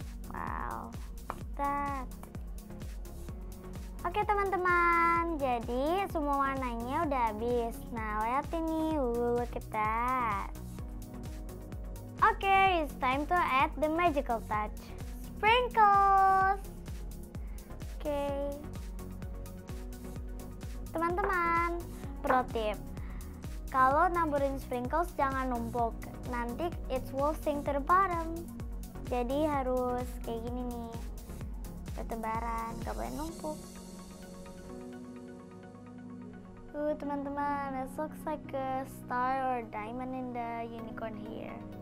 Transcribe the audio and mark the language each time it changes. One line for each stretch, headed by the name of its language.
Indonesian: Wow. Tat. Oke, teman-teman. Jadi semua warnanya udah habis. Nah, lihat ini.
English: Look at that. Oke, it's time to add the magical touch. Sprinkles. Oke.
Indonesian: Teman-teman, pro tip. Kalau naburin sprinkles jangan numpuk. Nanti
English: it will sink to the bottom.
Indonesian: Jadi harus kayak gini nih. Bertebaran, gak boleh numpuk.
English: Teman-teman, it looks like a star or a diamond in the unicorn here.